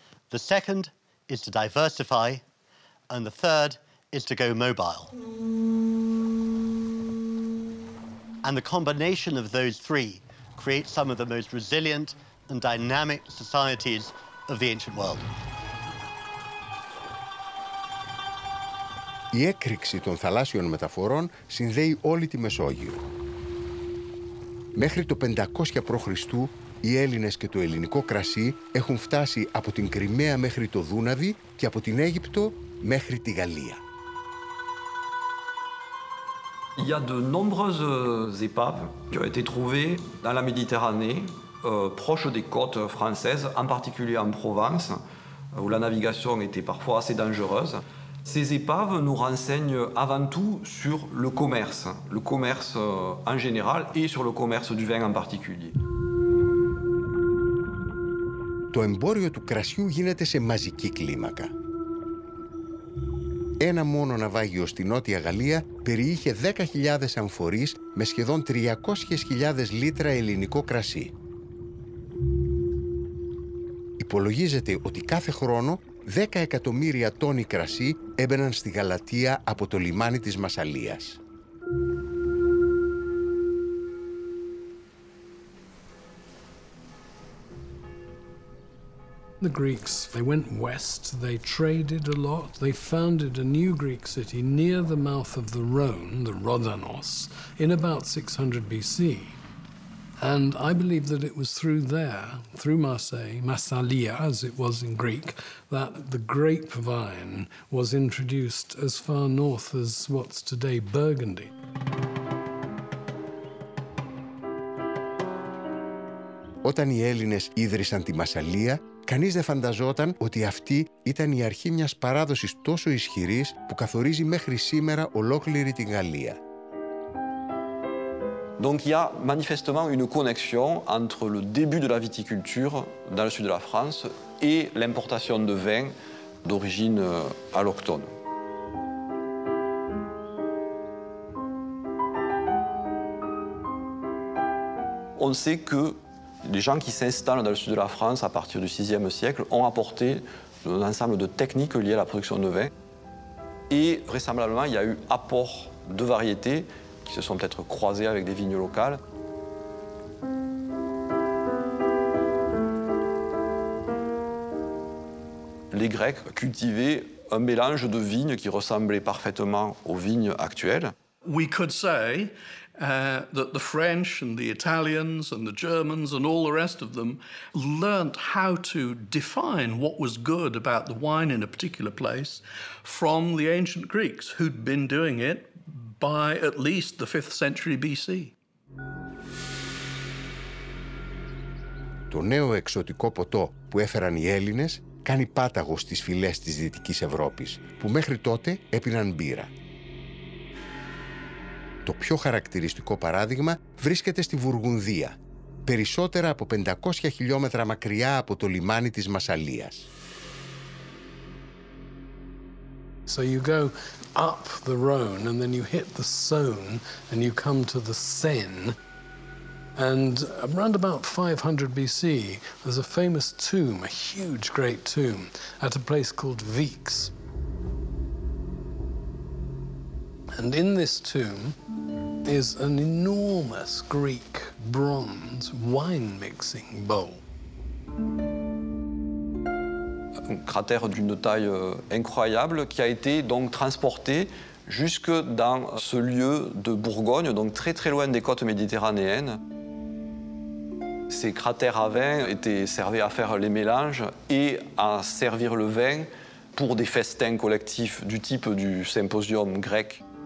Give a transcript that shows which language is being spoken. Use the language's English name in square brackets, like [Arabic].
[English] The second is to diversify. And the third is to go mobile. And the combination of those three create some of the most resilient and dynamic societies of the ancient world. [Greek] Η έκρηξη των θαλάσσιων μεταφορών συνδέει όλη τη Μεσόγειο. Μέχρι το 500 π.Χ. οι Έλληνες και το ελληνικό κρασί έχουν φτάσει από την Κρυμαία μέχρι το Δούναβι και από την Αίγυπτο μέχρι τη Γαλλία. [French] Il y a de nombreuses épaves qui ont été trouvées dans la Méditerranée, proche des côtes françaises, en particulier en Provence, où la navigation était parfois assez dangereuse. Ces épaves nous renseignent avant tout sur le commerce en général et sur le commerce du vin en particulier. [Greek] Το εμπόριο του κρασιού γίνεται σε μαζική κλίμακα. Ένα μόνο ναυάγιο στη Νότια Γαλλία περιείχε 10.000 αμφορείς με σχεδόν 300.000 λίτρα ελληνικό κρασί. Υπολογίζεται ότι κάθε χρόνο 10 εκατομμύρια τόνοι κρασί έμπαιναν στη Γαλατεία από το λιμάνι της Μασσαλίας. [English] The Greeks, they went west, they traded a lot, they founded a new Greek city near the mouth of the Rhone, the Rhodanos, in about 600 BC. And I believe that it was through there, through Marseille, Massalia, as it was in Greek, that the grapevine was introduced as far north as what's today Burgundy. [Greek] Όταν οι Έλληνες ίδρυσαν τη Μασσαλία, κανείς δεν φανταζόταν ότι αυτή ήταν η αρχή μιας παράδοσης τόσο ισχυρής που καθορίζει μέχρι σήμερα ολόκληρη την Γαλλία. [French] Donc il y a manifestement une connexion entre le début de la viticulture dans le sud de la France et l'importation de vin d'origine allochtone. On sait que les gens qui s'installent dans le sud de la France à partir du 6e siècle ont apporté un ensemble de techniques liées à la production de vin. Et vraisemblablement, il y a eu apport de variétés qui se sont peut-être croisées avec des vignes locales. Les Grecs cultivaient un mélange de vignes qui ressemblait parfaitement aux vignes actuelles. [English] We could say that the French and the Italians and the Germans and all the rest of them learnt how to define what was good about the wine in a particular place from the ancient Greeks, who'd been doing it by at least the 5th century BC. [Greek] Το νέο εξωτικό ποτό που έφεραν οι Έλληνες κάνει πάταγο στις φυλές της Δυτικής Ευρώπης, που μέχρι τότε έπιναν μπύρα. Το πιο χαρακτηριστικό παράδειγμα βρίσκεται στη Βουργουνδία, περισσότερα από 500 χιλιόμετρα μακριά από το λιμάνι της Μασσαλίας. [English] So you go up the Rhone and then you hit the Saône and you come to the Seine. And around about 500 BC, there's a famous tomb, a huge great tomb, at a place called Vix. And in this tomb is an enormous Greek bronze wine mixing bowl. [French] Un cratère d'une taille incroyable qui a été donc transporté jusque dans ce lieu de Bourgogne, donc très très loin des côtes méditerranéennes. Ces cratères à vin étaient servis à faire les mélanges et à servir le vin pour des festins collectifs du type du symposium grec.